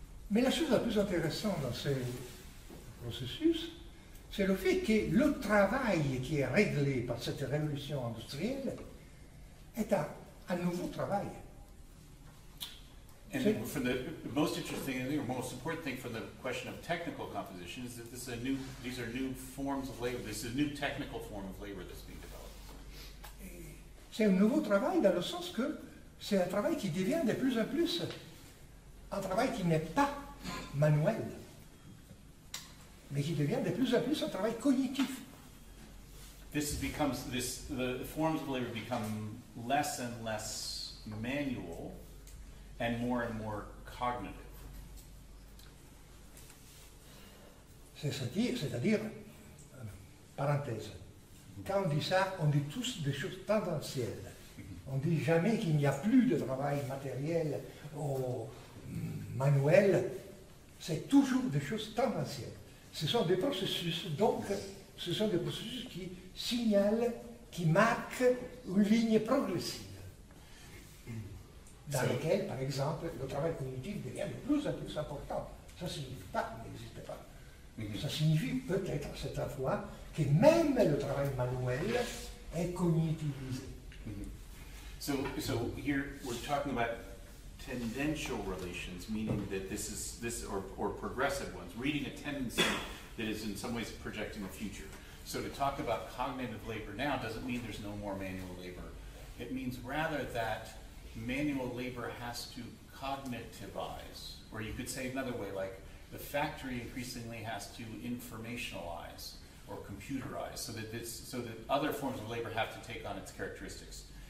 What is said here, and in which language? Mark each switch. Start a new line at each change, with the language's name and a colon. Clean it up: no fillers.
French: Mais la chose la plus intéressante dans ce processus, c'est le fait que le travail qui est réglé par cette révolution industrielle est un nouveau travail. And c'est...
English: for the most interesting thing, or most important thing for the question of technical composition, is that this is a new, these are new forms of labor, this is a new technical form of labor that's being developed.
French: C'est un nouveau travail dans le sens que c'est un travail qui devient de plus en plus un travail qui n'est pas manuel, mais qui devient de plus en plus un travail cognitif.
English: this becomes this the forms of labor become less and less manual and more and more cognitive.
French: C'est-à-dire, parenthèse, quand on dit ça, on dit tous des choses tendancielles. On dit jamais qu'il n'y a plus de travail matériel ou manuel. C'est toujours des choses tendancielles. Ce sont des processus, donc, ce sont des processus qui signalent, qui marquent une ligne progressive. Dans laquelle, par exemple, le travail cognitif devient de plus en plus important. Ça ne signifie pas qu'il n'existe pas. Mm-hmm. Ça signifie peut-être, cette fois, que même le travail manuel est cognitivisé. Mm-hmm.
English: So here we're talking about tendential relations, meaning that this is, or progressive ones, reading a tendency that is in some ways projecting a future. So to talk about cognitive labor now doesn't mean there's no more manual labor. It means rather that manual labor has to cognitivize, or you could say another way, like the factory increasingly has to informationalize or computerize, so that other forms of labor have to take on its characteristics.